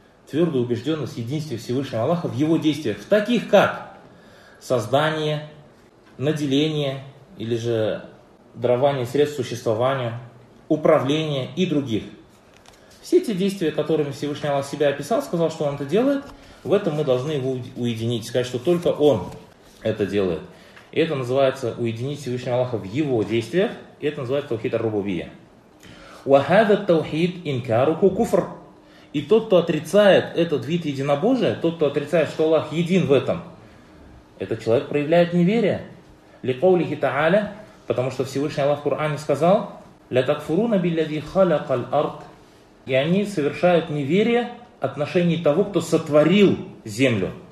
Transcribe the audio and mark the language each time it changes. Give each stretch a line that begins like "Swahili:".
Russian: твердую убежденность в единстве Всевышнего Аллаха в его действиях, в таких как создание, наделение или же дарование средств существования, управление и других. Все те действия, которыми Всевышний Аллах себя описал, сказал, что он это делает, в этом мы должны его уединить, сказать, что только он это делает. И это называется уединить Всевышнего Аллаха в его действиях, и это называется таухид ар-рубубия.
Arabic: وهذا التوحيد إنكاره كفر.
Russian: И тот, кто отрицает этот вид единобожия, тот, кто отрицает, что Аллах един в этом, этот человек проявляет неверие.
Arabic: لقوله تعالى,
Russian: потому что Всевышний Аллах в Коране сказал:
Arabic: لتكفرون بالذي خلق الأرض.
Russian: И они совершают неверие в отношении того, кто сотворил землю.